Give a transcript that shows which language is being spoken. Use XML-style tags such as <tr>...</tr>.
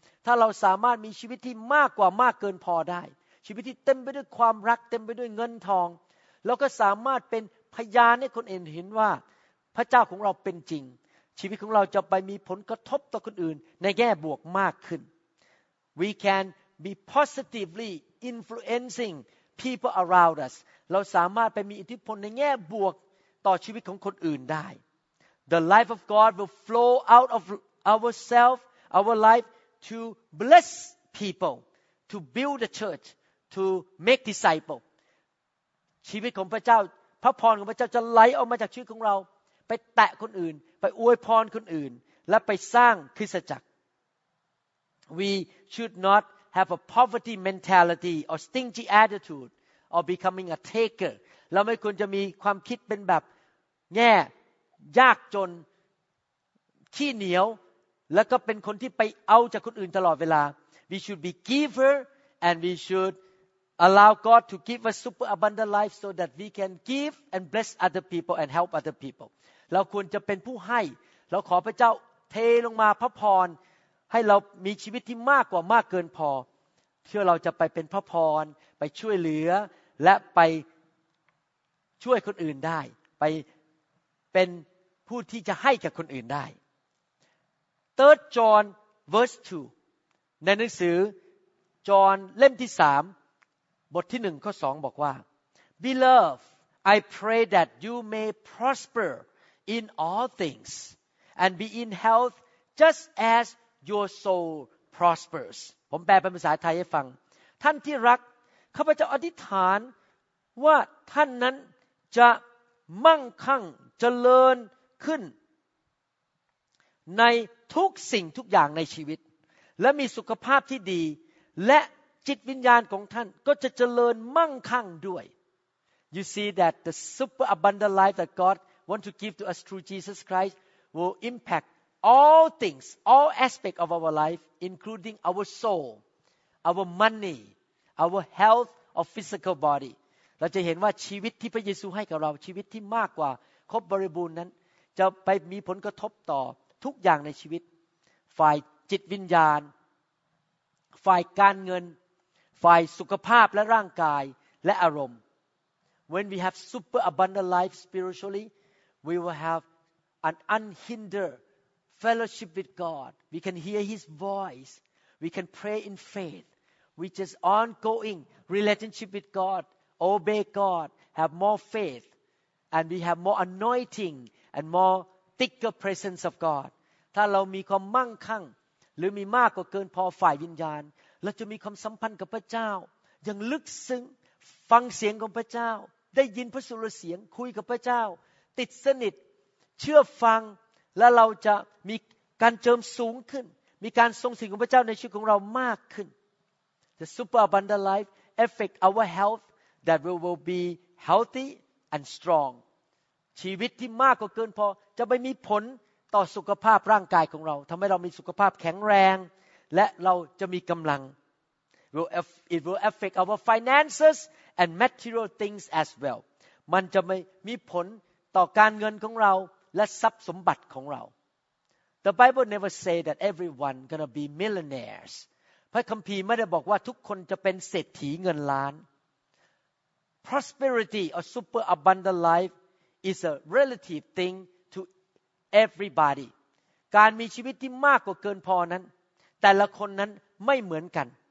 <th>ถ้าเราสามารถมีชีวิตที่มากกว่ามากเกินพอได้ชีวิตที่เต็มไปด้วยความรักเต็มไปด้วยเงินทองแล้วก็สามารถเป็นพยานให้คนอื่นเห็นว่าพระเจ้าของเราเป็นจริงชีวิตของเราจะไปมีผลกระทบต่อคนอื่นในแง่บวกมากขึ้น</th> <en>We can be positively influencing people around us</en> <th>เราสามารถไปมีอิทธิพลในแง่บวกต่อชีวิตของคนอื่นได้</th> <en>The life of God will flow out of ourselves our life to bless people to build the church to make disciples</en> <th>ชีวิตของพระเจ้าพระพรของพระเจ้าจะไหลออกมาจากชีวิตของเราไปแตะคนอื่นไปอวยพรคนอื่นและไปสร้างคริสตจักร</th> <en>We should not have a poverty mentality or stingy attitude or becoming a taker</en> <th>เราไม่ควรจะมีความคิดเป็นแบบแง่ยากจนขี้เหนียวแล้วก็เป็นคนที่ไปเอาจากคนอื่นตลอดเวลา</th> <en>We should be giver and we should allow God to give us super abundant life so that we can give and bless other people and help other people</en> <th>เราควรจะเป็นผู้ให้เราขอพระเจ้าเทลงมาพระพรให้เรามีชีวิตที่มากกว่ามากเกินพอเพื่อเราจะไปเป็นพระพรไปช่วยเหลือและไปช่วยคนอื่นได้ไปเป็นผู้ที่จะให้กับคนอื่นได้</th> <en>3 John verse 2</en> <th>ในหนังสือจอห์นเล่มที่3บทที่1ข้อ2บอกว่า</th> <en>Beloved I pray that you may prosperin all things and be in health just as your soul prospers</en> <th>ผมแปลเป็นภาษาไทยให้ฟังท่านที่รักข้าพเจ้าอธิษฐานว่าท่านนั้นจะมั่งคั่งเจริญขึ้นในทุกสิ่งทุกอย่างในชีวิตและมีสุขภาพที่ดีและจิตวิญญาณของท่านก็จะเจริญมั่งคั่งด้วย</th> <en>You see that the super abundant life that Godwant to give to us through Jesus Christ will impact all things all aspect of our life including our soul our money our health or physical body</en> <th>เราจะเห็นว่าชีวิตที่พระเยซูให้กับเราชีวิตที่มากกว่าครบบริบูรณ์นั้นจะไปมีผลกระทบต่อทุกอย่างในชีวิตฝ่ายจิตวิญญาณฝ่ายการเงินฝ่ายสุขภาพและร่างกายและอารมณ์</th> <en>when we have super abundant life spirituallyWe will have an unhindered fellowship with God. We can hear His voice. We can pray in faith. We just ongoing relationship with God, obey God, have more faith, and we have more anointing and more thicker presence of God.</en> <th>ถ้าเรามีความมั่งคั่งหรือมีมากกว่าเกินพอฝ่ายวิญญาณเราจะมีความสัมพันธ์กับพระเจ้าอย่างลึกซึ้งฟังเสียงของพระเจ้าได้ยินพระสุรเสียงคุยกับพระเจ้าติดสนิทเชื่อฟังและเราจะมีการเจิมสูงขึ้นมีการทรงสิงของพระเจ้าในชีวิตของเรามากขึ้น</th> <en>The super abundant life affect our health that we will be healthy and strong</en> <th>ชีวิตที่มากกว่าเกินพอจะไปมีผลต่อสุขภาพร่างกายของเราทำให้เรามีสุขภาพแข็งแรงและเราจะมีกำลัง</th> <en>It will affect our finances and material things as well</en> <th>มันจะไม่มีผลต่อการเงินของเราและทรัพย์สมบัติของเรา</th> <en>The Bible never say that everyone gonna be millionaires</en> <th>พระคัมภีร์ไม่ได้บอกว่าทุกคนจะเป็นเศรษฐีเงินล้าน</th> <en>Prosperity or super abundant life is a relative thing to everybody</en> <th>การมีชีวิตที่มากกว่าเกินพอนั้นแต่ละคนนั้นไม่เหมือนกัน</th>